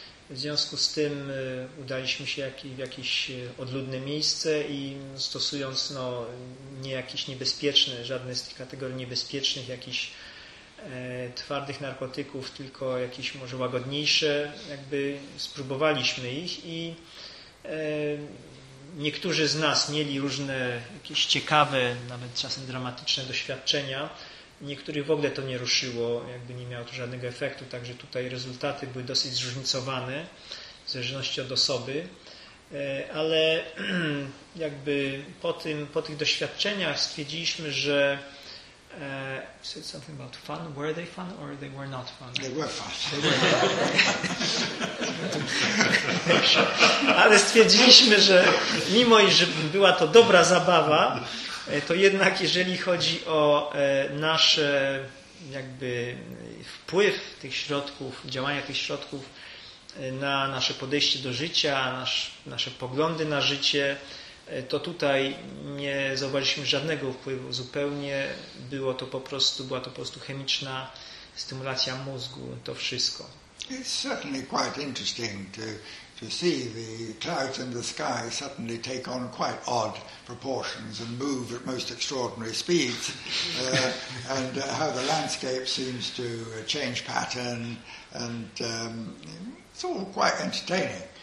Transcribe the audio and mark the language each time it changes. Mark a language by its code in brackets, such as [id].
[pl] W związku z tym udaliśmy się w jakieś odludne miejsce i stosując no, nie jakieś niebezpieczne, żadne z tych kategorii niebezpiecznych, jakichś twardych narkotyków, tylko jakieś może łagodniejsze, jakby spróbowaliśmy ich i niektórzy z nas mieli różne jakieś ciekawe, nawet czasem dramatyczne doświadczenia. Niektórych w ogóle to nie ruszyło, jakby nie miało to żadnego efektu, także tutaj rezultaty były dosyć zróżnicowane w zależności od osoby, ale jakby po tych doświadczeniach stwiedziliśmy, że [en] you said something about fun, were they fun or they were not fun? They were fun. [pl] Ale stwierdziliśmy, że mimo iż była to dobra zabawa, to jednak jeżeli chodzi o nasz jakby wpływ tych środków, działania tych środków na nasze podejście do życia, nasze poglądy na życie, to tutaj nie zauważyliśmy żadnego wpływu zupełnie. Była to po prostu chemiczna stymulacja mózgu, to wszystko. [en] It's certainly quite interesting to see the clouds in the sky suddenly take on quite odd proportions and move at most extraordinary speeds, and how the landscape seems to change pattern, and it's all quite entertaining.